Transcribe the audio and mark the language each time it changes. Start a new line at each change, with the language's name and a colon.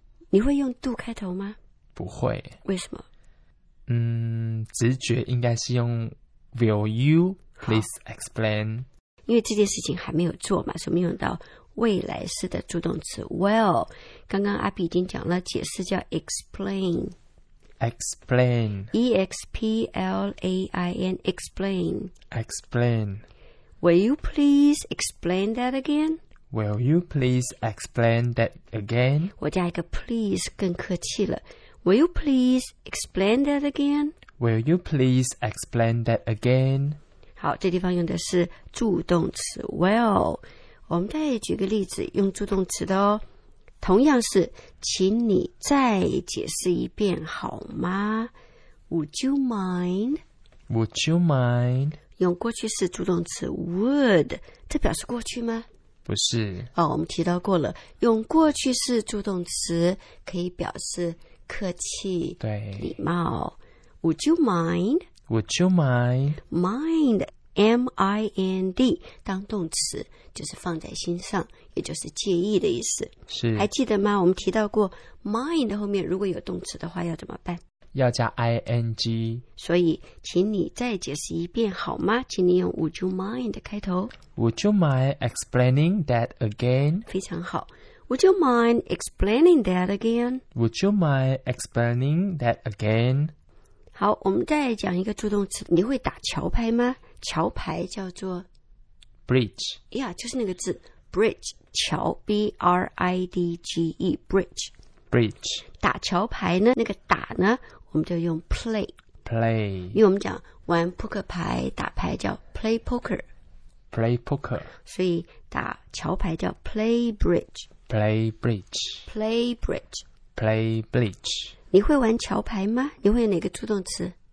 Chinese: 你会用 do 开头吗？不会。为什么？嗯，直觉应该是用
English: will you please explain。
Chinese: 因为这件事情还没有做嘛，所以用到未来式的助动词 will。刚刚阿比已经讲了，解释叫 explain。
English: explain。 explain。 explain。 explain。 Will you please explain that again? Will you please explain that again?
Chinese: 我加一个 please 更客气了。
English: Will you please explain that again? Will you please explain that again?
Chinese: 好，这地方用的是助动词 will。我们再举个例子，用助动词的哦。同样是，请你再解释一遍好吗？
English: Would you mind? Would you mind?
Chinese: 用过去式助动词 would， 这表示过去吗？不是哦，我们提到过了，用过去式助动词可以表示客气，对，礼貌。
English: Would you mind? Would you mind?
Chinese: Mind, M-I-N-D, 当动词就是放在心上，也就是介意的意思。是，还记得吗？我们提到过 mind 后面如果有动词的话要怎么办？要加 ing。所以请你再解释一遍好吗？请你用
English: would you mind
Chinese: 开头。
English: Would you mind explaining that again?
Chinese: 非常好。
English: Would you mind explaining that again? Would you mind explaining that again?
Chinese: 好，我们再讲一个助动词。你会打桥牌吗？桥牌叫做
English: bridge。 Yeah，
Chinese: 就是那个字
English: bridge， 桥 b r i d g e bridge。 Bridge。
Chinese: 打桥牌呢？那个打呢？我们就用 play。
English: Play。
Chinese: 因为我们讲玩扑克牌打牌叫
English: play poker。 Play poker。
Chinese: 所以打桥牌叫
English: play bridge。 Play bridge。 Play bridge。 Play bridge。
Chinese: 你会玩桥牌吗？你会哪个助动词